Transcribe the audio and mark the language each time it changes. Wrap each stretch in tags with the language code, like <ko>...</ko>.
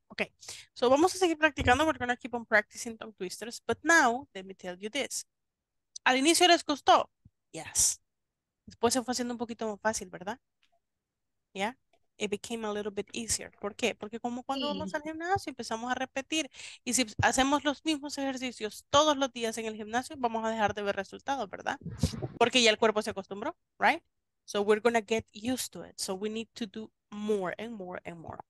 <en>Okay, so</en> <es>vamos a seguir practicando.</es> <en>We're going to keep on practicing tongue twisters. But now, let me tell you this.</en> <es>al inicio les costó. Yes. Después se fue haciendo un poquito más fácil, ¿verdad?</es> <en>Yeah. It became a little bit easier.</en> <es>¿Por qué? Porque como cuando sí. vamos al gimnasio empezamos a repetir. Y si hacemos los mismos ejercicios todos los días en el gimnasio, vamos a dejar de ver resultados, ¿verdad? Porque ya el cuerpo se acostumbró, right?</es> <en>So we're gonna get used to it. So we need to do more and more and more.</en>